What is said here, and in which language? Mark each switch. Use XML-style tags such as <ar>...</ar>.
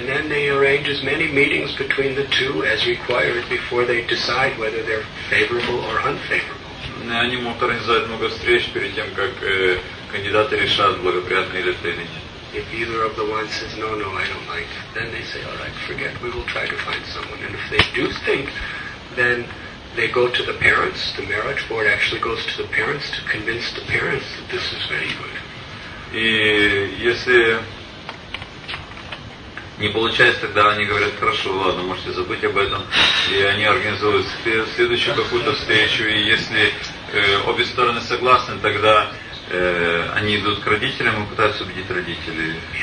<en>And then they arrange as many meetings between the two as required before they decide whether they're favorable or unfavorable.</en> <ru>Они могут организовать много встреч перед тем, как кандидаты решат, благоприятно или это или нет.</ru> <en>If either of the ones says, no, no, I don't like, then they say, all right, forget, we will try to find someone. And if they do think, then they go to the parents, the marriage board actually goes to the parents to convince the parents that this is very good.</en> <ru>И если не получается, тогда они говорят, хорошо, ладно, можете забыть об этом. И они организуют следующую какую-то встречу. И если обе стороны согласны, тогда они идут к родителям и пытаются убедить родителей.</ru>